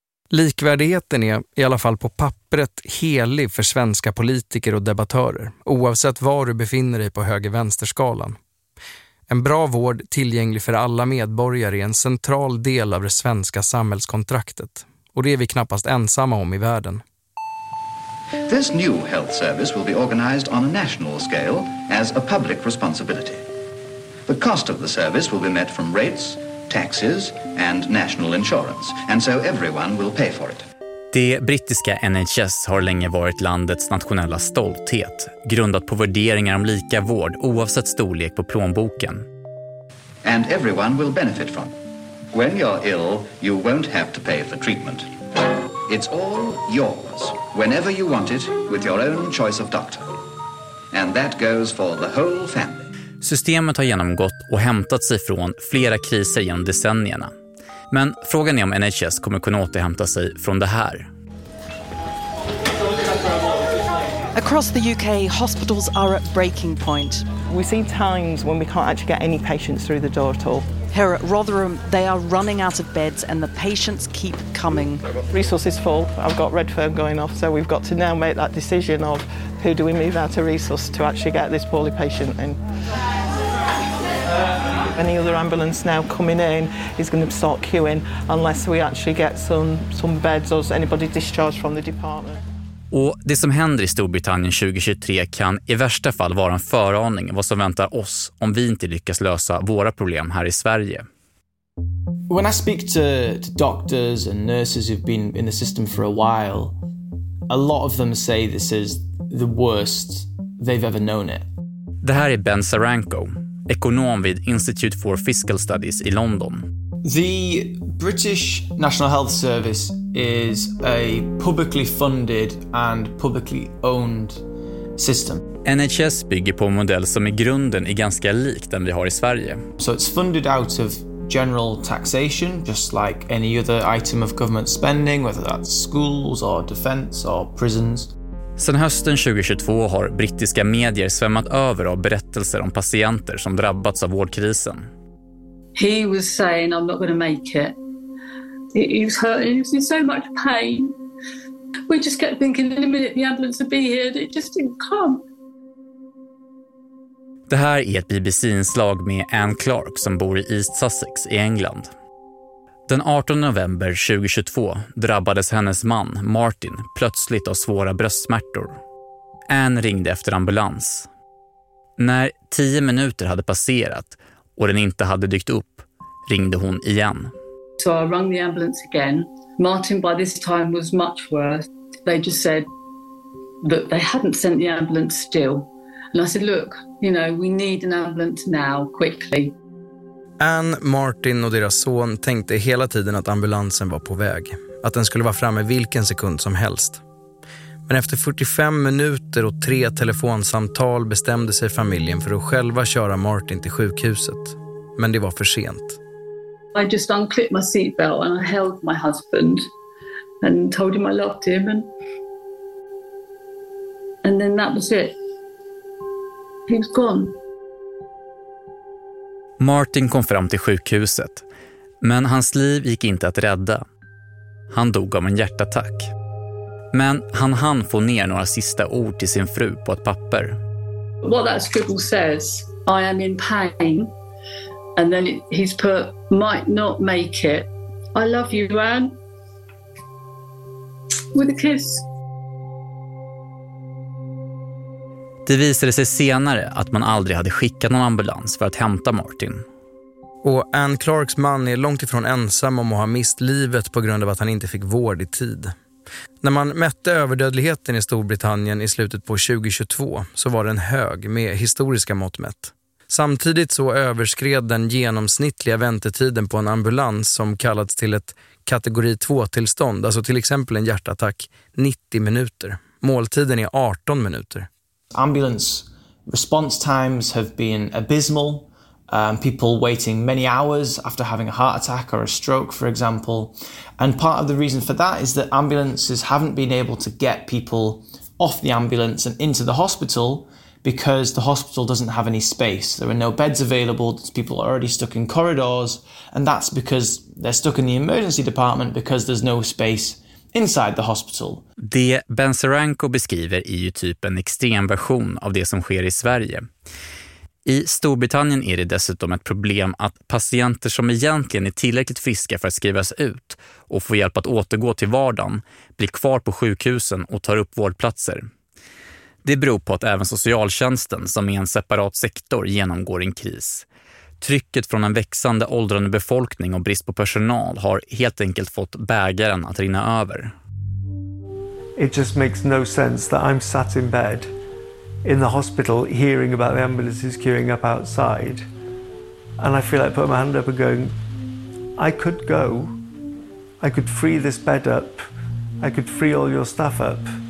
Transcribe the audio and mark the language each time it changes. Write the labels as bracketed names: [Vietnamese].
[Swedish] Likvärdigheten är, i alla fall på pappret, helig för svenska politiker och debattörer, oavsett var du befinner dig på höger-vänsterskalan. En bra vård tillgänglig för alla medborgare är en central del av det svenska samhällskontraktet. Och det är vi knappast ensamma om i världen. [English] This new health service will be organized on a national scale as a public responsibility. The cost of the service will be met from rates, taxes and national insurance, and so everyone will pay for it. [Swedish] Det brittiska NHS har länge varit landets nationella stolthet, grundat på värderingar om lika vård oavsett storlek på plånboken. [English] And everyone will benefit from. When you're ill, you won't have to pay for treatment. It's all yours, whenever you want it, with your own choice of doctor. And that goes for the whole family. [Swedish] Systemet har genomgått och hämtat sig från flera kriser genom decennierna. Men frågan är om NHS kommer kunna återhämta sig från det här. [English] Across the UK, hospitals are at breaking point. We've seen times when we can't actually get any patients through the door at all. Here at Rotherham, they are running out of beds and the patients keep coming. Resources full. I've got Redfern going off, so we've got to now make that decision of who do we move out of resource to actually get this poorly patient in. Any other ambulance now coming in is going to start queuing unless we actually get some beds or anybody discharged from the department. [Swedish] Och det som händer i Storbritannien 2023 kan i värsta fall vara en föraning vad som väntar oss om vi inte lyckas lösa våra problem här i Sverige. [English] When I speak to doctors and nurses who've been in the system for a while, a lot of them say this is the worst they've ever known it. [Swedish] Det här är Ben Saranko, ekonom vid Institute for Fiscal Studies i London. [English] The British National Health Service is a publicly funded and publicly owned system. [Swedish] NHS bygger på en modell som i grunden är ganska lik den vi har i Sverige. [English] So it's funded out of general taxation, just like any other item of government spending, whether that's schools or defence or prisons. [Swedish] Sen hösten 2022 har brittiska medier svämmat över av berättelser om patienter som drabbats av vårdkrisen. [English] He was saying, I'm not going to make it. He was hurting, he was in so much pain. We just kept thinking, in a minute the ambulance would be here, it just didn't come. [Swedish] Det här är ett BBC-inslag med Anne Clark som bor i East Sussex i England. Den 18 november 2022 drabbades hennes man, Martin, plötsligt av svåra bröstsmärtor. Anne ringde efter ambulans. När 10 minuter hade passerat och den inte hade dykt upp, ringde hon igen. [English] So I rang the ambulance again. Martin by this time was much worse. They just said that they hadn't sent the ambulance still. And I said, look, you know, we need an ambulance now, quickly. [Swedish] Anne, Martin och deras son tänkte hela tiden att ambulansen var på väg. Att den skulle vara framme vilken sekund som helst. Men efter 45 minuter och 3 telefonsamtal bestämde sig familjen för att själva köra Martin till sjukhuset. Men det var för sent. [English] I just unclipped my seatbelt and I held my husband and told him I loved him. And then that was it. He was gone. [Swedish] Martin kom fram till sjukhuset, men hans liv gick inte att rädda. Han dog av en hjärtattack. Men han hann få ner några sista ord till sin fru på ett papper. [English] What that scribble says, I am in pain. And then he's put, might not make it. I love you, Anne. With a kiss. [Swedish] Det visade sig senare att man aldrig hade skickat någon ambulans för att hämta Martin. Och Anne Clarks man är långt ifrån ensam om att ha mist livet på grund av att han inte fick vård i tid. När man mätte överdödligheten i Storbritannien i slutet på 2022 så var den hög med historiska mått mätt. Samtidigt så överskred den genomsnittliga väntetiden på en ambulans som kallats till ett kategori 2-tillstånd, alltså till exempel en hjärtattack, 90 minuter. Måltiden är 18 minuter. [English] Ambulance response times have been abysmal. People waiting many hours after having a heart attack or a stroke, for example. And part of the reason for that is that ambulances haven't been able to get people off the ambulance and into the hospital because the hospital doesn't have any space. There are no beds available. People are already stuck in corridors. And that's because they're stuck in the emergency department because there's no space inside the hospital. [Swedish] Det Ben Saranko beskriver är ju typ en extrem version av det som sker i Sverige. I Storbritannien är det dessutom ett problem att patienter som egentligen är tillräckligt friska för att skrivas ut och få hjälp att återgå till vardagen blir kvar på sjukhusen och tar upp vårdplatser. Det beror på att även socialtjänsten, som är en separat sektor, genomgår en kris. Trycket från en växande åldrande befolkning och brist på personal har helt enkelt fått bägaren att rinna över. [English] It just makes no sense that I'm sat in bed in the hospital hearing about the ambulances queuing up outside. And I feel like putting my hand up and going, I could go. I could free this bed up. I could free all your staff up.